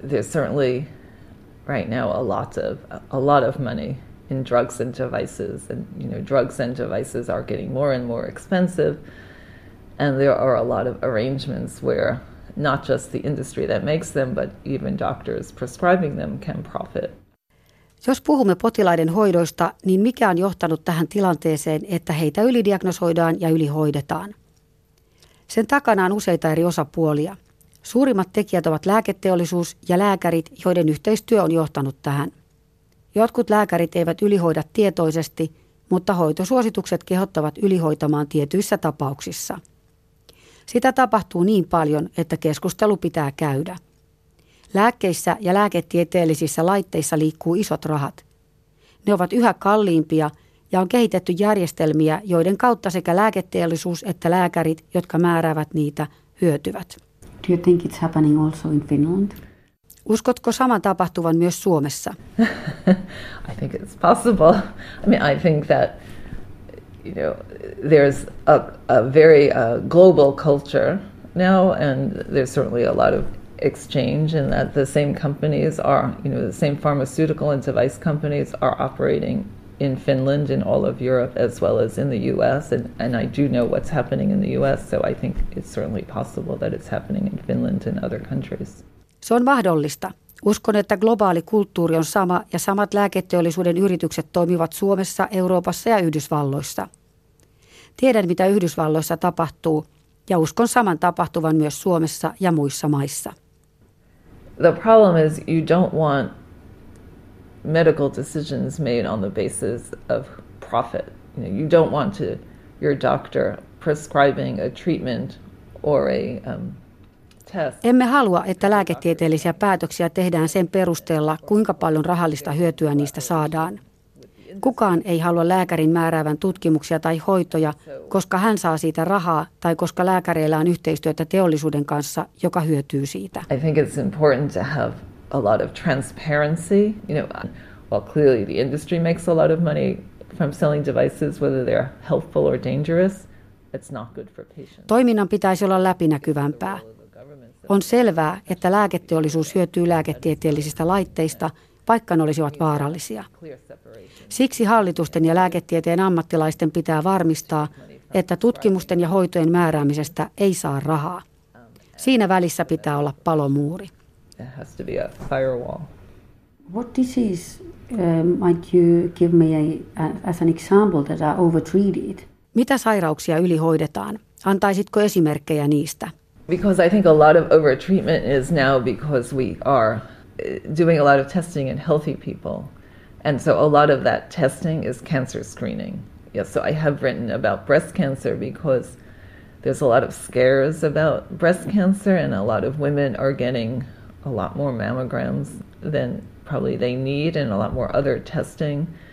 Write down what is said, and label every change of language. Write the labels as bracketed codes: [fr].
[en] There's certainly right now a lot of money in drugs and devices, and you know, drugs and devices are getting more and more expensive, and there are a lot of arrangements where not just the industry that makes them but even doctors prescribing them can profit. [fi] Jos puhumme potilaiden hoidoista, niin mikä on johtanut tähän tilanteeseen, että heitä ylidiagnosoidaan ja ylihoidetaan? Sen takana on useita eri osapuolia. Suurimmat tekijät ovat lääketeollisuus ja lääkärit, joiden yhteistyö on johtanut tähän. Jotkut lääkärit eivät ylihoida tietoisesti, mutta hoitosuositukset kehottavat ylihoitamaan tietyissä tapauksissa. Sitä tapahtuu niin paljon, että keskustelu pitää käydä. Lääkkeissä ja lääketieteellisissä laitteissa liikkuu isot rahat. Ne ovat yhä kalliimpia ja on kehitetty järjestelmiä, joiden kautta sekä lääketeollisuus että lääkärit, jotka määräävät niitä, hyötyvät. [en] Do you think it's happening also in Finland? [fi] Uskotko saman tapahtuvan myös Suomessa? [en] I think it's possible. I mean, I think that, you know, there's a very global culture now, and there's certainly a lot of exchange, and that the same companies are, you know, the same pharmaceutical and device companies are operating in Finland, in all of Europe, as well as in the U.S., and I do know what's happening in the U.S., so I think it's certainly possible that it's happening in Finland and other countries. [fi] Se on mahdollista. Uskon, että globaali kulttuuri on sama, ja samat lääketeollisuuden yritykset toimivat Suomessa, Euroopassa ja Yhdysvalloissa. Tiedän, mitä Yhdysvalloissa tapahtuu, ja uskon saman tapahtuvan myös Suomessa ja muissa maissa. [en] The problem is you don't want medical decisions made on the basis of profit. You know, you don't want to your doctor prescribing a treatment or a test. [fi] Emme halua, että lääketieteellisiä päätöksiä tehdään sen perusteella, kuinka paljon rahallista hyötyä niistä saadaan. Kukaan ei halua lääkärin määräävän tutkimuksia tai hoitoja, koska hän saa siitä rahaa tai koska lääkäreillä on yhteistyötä teollisuuden kanssa, joka hyötyy siitä. [en] I think it's important to have a lot of transparency. You know, well, clearly the industry makes a lot of money from selling devices, whether they're helpful or dangerous. It's not good for patients. [fi] Toiminnan pitäisi olla läpinäkyvämpää. On selvää, että lääketeollisuus hyötyy lääketieteellisistä laitteista, vaikka ne olisivat vaarallisia. Siksi hallitusten ja lääketieteen ammattilaisten pitää varmistaa, että tutkimusten ja hoitojen määräämisestä ei saa rahaa. Siinä välissä pitää olla palomuuri. [en] It has to be a firewall. What disease might you give me as an example that are overtreated? [fi] Mitä sairauksia ylihoidetaan? Antaisitko esimerkkejä niistä? [en] Because I think a lot of overtreatment is now because we are doing a lot of testing in healthy people. And so a lot of that testing is cancer screening. Yes, so I have written about breast cancer because there's a lot of scares about breast cancer, and a lot of women are getting a lot more mammograms than probably they need, and a lot more other testing.